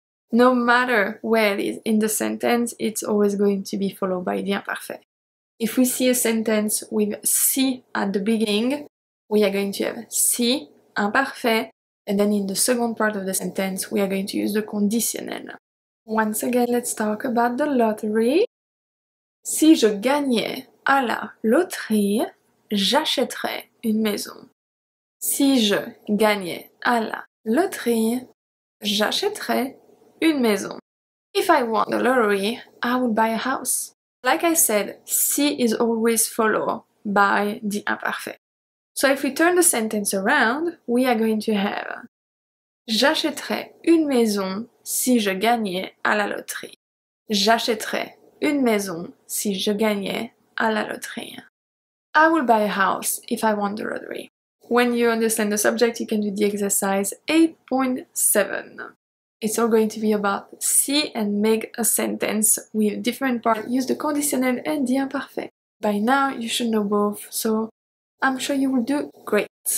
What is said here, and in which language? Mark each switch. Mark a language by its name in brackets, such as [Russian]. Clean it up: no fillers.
[English] No matter where it is in the sentence, it's always going to be followed by the imparfait. If we see a sentence with si at the beginning, we are going to have si, imparfait, and then in the second part of the sentence, we are going to use the conditionnel. Once again, let's talk about the lottery. [French] Si je gagnais à la loterie, j'achèterais une maison. Si je gagnais à la loterie, j'achèterais une maison. [English] If I won the lottery, I would buy a house. Like I said, si is always followed by the imparfait. So if we turn the sentence around, we are going to have [French] j'achèterais une maison si je gagnais à la loterie. J'achèterais une maison si je gagnais à la loterie. [English] I will buy a house if I won the lottery. When you understand the subject, you can do the exercise 8.7. It's all going to be about see and make a sentence with different parts. Use the conditionnel and the imparfait. By now, you should know both, so I'm sure you will do great.